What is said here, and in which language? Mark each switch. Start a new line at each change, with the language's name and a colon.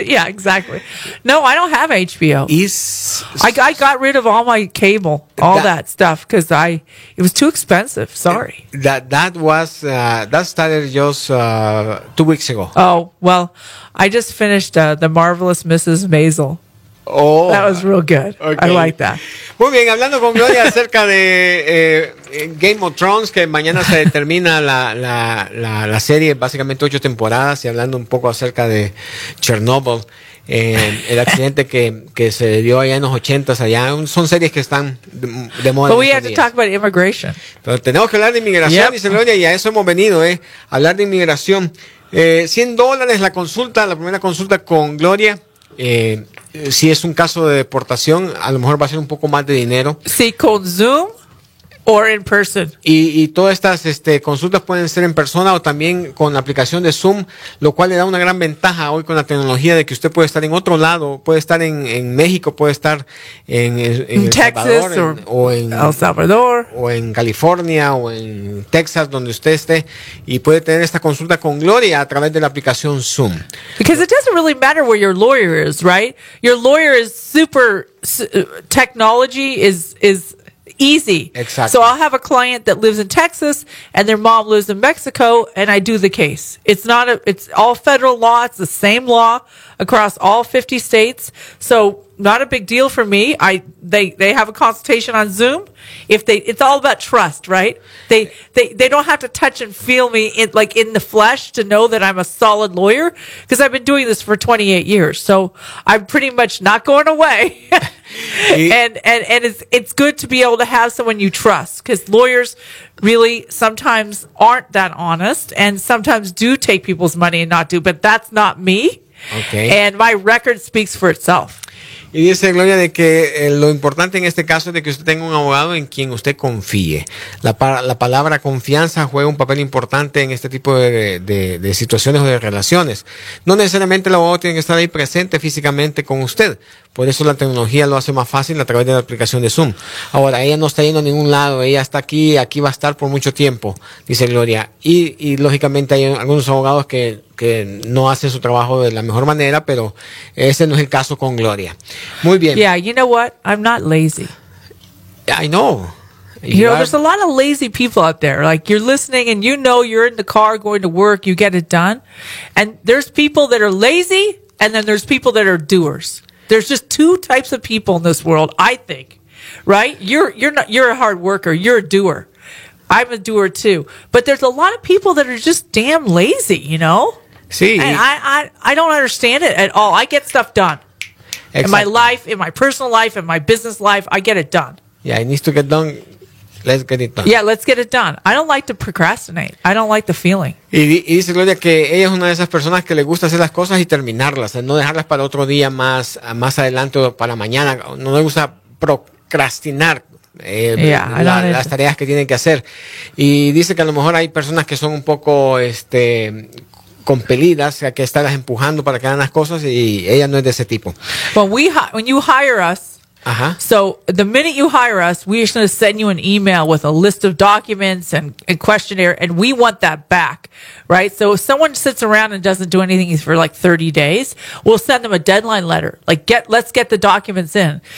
English: Yeah, exactly. No, I don't have HBO. I got rid of all my cable, all that stuff, because it was too expensive. Sorry. That started just 2 weeks ago. Oh, well, I just finished The Marvelous Mrs. Maisel. Oh. That was real good. Okay. I like that.
Spanish: Muy bien, hablando con Gloria acerca de Game of Thrones, que mañana se termina la serie, básicamente 8 temporadas, y hablando un poco acerca de Chernobyl, el accidente que se dio allá en los 80s, allá son series que están de moda.
English: But we have to talk about immigration.
Spanish: Pero tenemos que hablar de inmigración, dice Gloria, y a eso hemos venido, hablar de inmigración. $100 la consulta, la primera consulta con Gloria. Si es un caso de deportación, a lo mejor va a ser un poco más de dinero. Sí, con Zoom o en persona. Y todas estas consultas pueden ser en persona o también con la aplicación de Zoom, lo cual le da una gran ventaja hoy con la tecnología de que usted puede estar en otro lado, puede estar en México, puede estar en Texas, Salvador, o en El Salvador, o en California, o en Texas, donde usted esté, y puede tener esta consulta con Gloria a través de la aplicación Zoom.
English: Because it doesn't really matter where your lawyer is, right? Your lawyer is super, technology is easy. Exactly. So I'll have a client that lives in Texas and their mom lives in Mexico and I do the case. It's not it's all federal law. It's the same law across all 50 states. So not a big deal for me. They have a consultation on Zoom. It's all about trust, right? They don't have to touch and feel me in the flesh to know that I'm a solid lawyer because I've been doing this for 28 years. So I'm pretty much not going away. And it's good to be able to have someone you trust because lawyers really sometimes aren't that honest and sometimes do take people's money and not do, but that's not me. Okay. And my record speaks for itself.
Spanish: Y dice Gloria de que lo importante en este caso es de que usted tenga un abogado en quien usted confíe. La palabra confianza juega un papel importante en este tipo de situaciones o de relaciones. No necesariamente el abogado tiene que estar ahí presente físicamente con usted. Por eso la tecnología lo hace más fácil a través de la aplicación de Zoom. Ahora, ella no está yendo a ningún lado. Ella está aquí y aquí va a estar por mucho tiempo, dice Gloria. Y lógicamente hay algunos abogados que no hacen su trabajo de la mejor manera, pero ese no es el caso con Gloria. Muy bien.
English: Yeah, you know what? I'm not lazy. I know. You know, there's a lot of lazy people out there. Like, you're listening and you know you're in the car going to work. You get it done. And there's people that are lazy and then there's people that are doers. There's just two types of people in this world, I think, right? You're a hard worker. You're a doer. I'm a doer too. But there's a lot of people that are just damn lazy, you know? See, I don't understand it at all. I get stuff done. Exactly. In my life, in my personal life, in my business life, I get it done. Yeah, it needs to get done. Let's get it done. Yeah, let's get it done. I don't like to procrastinate. I don't like the feeling.
Spanish: Y dice Gloria que ella es una de esas personas que le gusta hacer las cosas y terminarlas, no dejarlas para otro día más adelante o para mañana. No le gusta procrastinar las tareas que tienen que hacer. Y dice que a lo mejor hay personas que son un poco compelidas, a que estarlas empujando para que hagan las cosas, y ella no es de ese tipo.
English: When you hire us, so the minute you hire us, we're going to send you an email with a list of documents and questionnaire, and we want that back, right? So if someone sits around and doesn't do anything for like 30 days, we'll send them a deadline letter, like let's get the documents in.